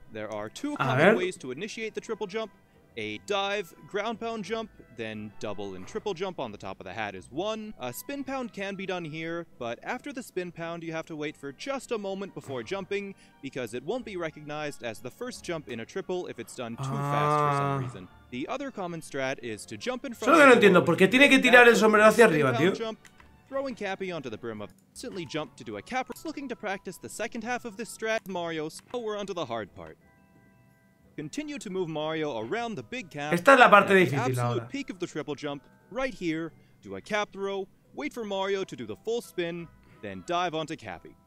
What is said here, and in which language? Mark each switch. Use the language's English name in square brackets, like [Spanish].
[English] There are two common ways to initiate the triple jump, a dive ground pound jump, then double and triple jump on the top of the hat is one. A spin pound can be done here, but after the spin pound you have to wait for just a moment before jumping because it won't be recognized as the first jump in a triple if it's done too fast for some reason. The other common strat is to jump in front. [Spanish] Solo no entiendo por qué tiene que tirar el sombrero hacia arriba, tío. [English] Throwing Cappy onto the brim of instantly jump to do a cap. Looking to practice the second half of this strat, Mario. So we're onto the hard part. Continue to move Mario around the big cap. [Spanish] Esta es la parte difícil ahora. [English] At the absolute peak of the triple jump, right here, do a cap throw, wait for Mario to do the full spin, then dive onto Cappy.